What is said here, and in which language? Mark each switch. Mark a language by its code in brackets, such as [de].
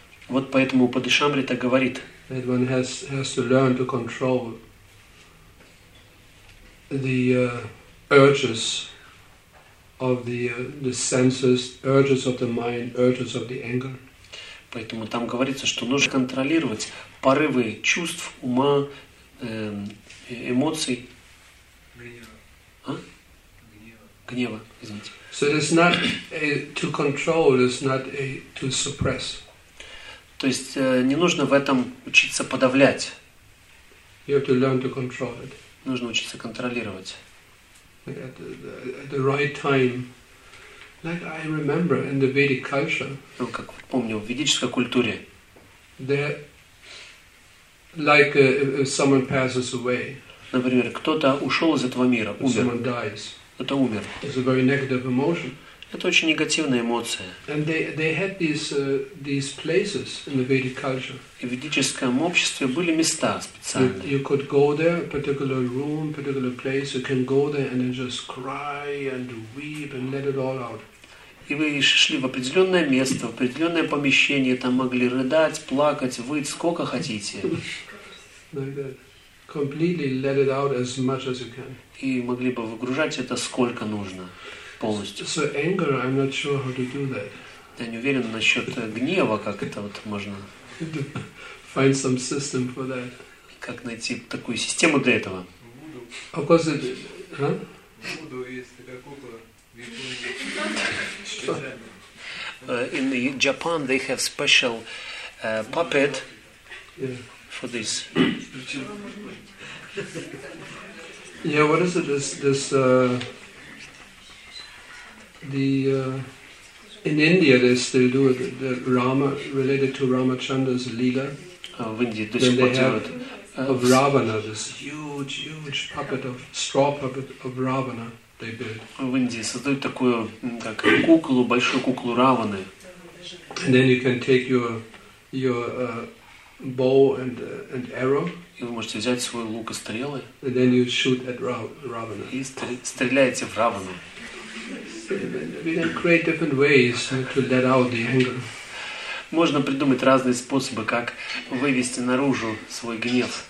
[ru] Вот поэтому Упадешамрита говорит. [en] That one has to learn to control the urges of the senses, urges of the mind, urges of the anger. [ru] Поэтому там говорится, что нужно контролировать порывы чувств, ума, эмоций. Гнева. Гнева, извините. [en] So it's not to control, it's not to suppress. [ru] То есть не нужно в этом учиться подавлять. [en] You have to learn to control it. [ru] Нужно учиться контролировать. [en] At the right time, like I remember in the Vedic culture. [ru] Ну, как помню, в ведической культуре. [en] There, like if someone passes away. [ru] Например, кто-то ушел из этого мира, умер. [en] Someone dies. [ru] Это умер. [en] It's a very negative emotion. [ru] Это очень негативная эмоция. [en] And they had these places in the Vedic culture. [ru] И в ведическом обществе были места специальные. [en] You could go there, a particular room, particular place. You can go there and then just cry and weep and let it all out. [ru] И вы шли в определенное место, в определенное помещение, там могли рыдать, плакать, выть сколько хотите. [en] Completely let it out as much as you can. [ru] И могли бы выгружать это сколько нужно. Полностью. [en] So anger, I'm not sure how to do that. [ru] Я не уверен насчет гнева, как это вот можно. [en] If find some system for that. [ru] Как найти такую систему для этого? [en] Of course it is. [ru] Буду, если как кукла. [en] In the Japan, they have special puppet for this. Yeah, what is it? In India, they still do it. The Rama, related to Ramachandra's Lila. [ru] В Индии до сих пор делают. [en] Of Ravana, this huge puppet of straw puppet of Ravana. They build. [ru] В Индии создают такую как куклу, большую куклу Раваны. [en] And then you can take your bow and arrow. [ru] И вы можете взять свой лук и стрелы. [en] And then you shoot at Ravana. [ru] И стреляете в Равану. [en] We can create different ways to let out the anger. [ru] Можно придумать разные способы, как вывести наружу свой гнев.